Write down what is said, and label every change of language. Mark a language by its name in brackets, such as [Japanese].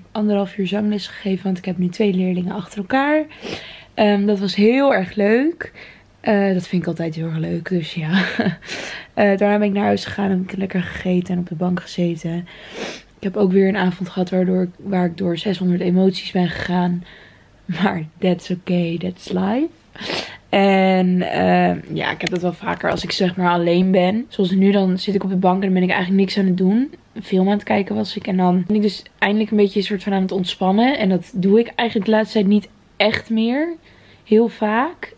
[Dutch] Ik heb 1,5 uur zangles gegeven, want ik heb nu 2 leerlingen achter elkaar. Dat was heel erg leuk. Dat vind ik altijd heel erg leuk, dus ja. Daarna ben ik naar huis gegaan en heb ik lekker gegeten en op de bank gezeten. Ik heb ook weer een avond gehad waar ik door 600 emoties ben gegaan. [English] Maar that's okay, that's life. [Dutch] En ja, ik heb dat wel vaker als ik zeg maar alleen ben. Zoals nu, dan zit ik op de bank en dan ben ik eigenlijk niks aan het doen. Een film aan het kijken was ik. En dan ben ik dus eindelijk een beetje een soort van aan het ontspannen. En dat doe ik eigenlijk de laatste tijd niet echt meer. Heel vaak.